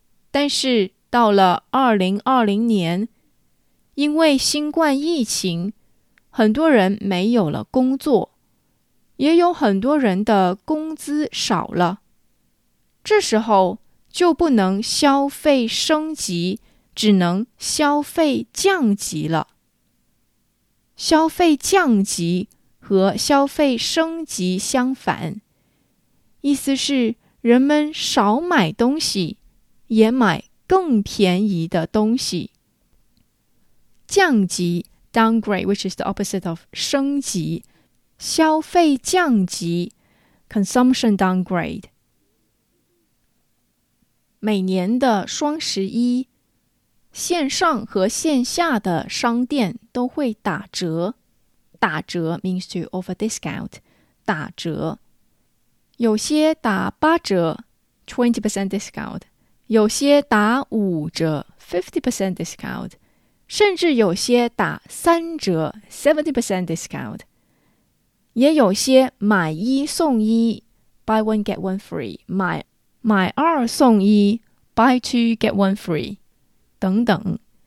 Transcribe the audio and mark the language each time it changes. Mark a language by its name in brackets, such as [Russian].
[Chinese] 但是到了2020年，因为新冠疫情，很多人没有了工作，也有很多人的工资少了，这时候就不能消费升级，只能消费降级了。消费降级和消费升级相反，意思是人们少买东西，也买更便宜的东西。 [English] 降级 downgrade, which is the opposite of 升级， [Chinese] 消费降级 [English] consumption downgrade。 [Chinese] 每年的双十一，线上和线下的商店都会打折。 [English] 打折 means to offer discount, 打折。 [Chinese] 有些打八折 [English] 20% discount, [Chinese] 有些打五折 [English] 50% discount, [Chinese] 甚至有些打三折 [English] 70% discount, [Chinese] 也有些买一送一 [English] buy one get one free, [Chinese] 买二送一 [English] buy two get one free, [Chinese] 等等。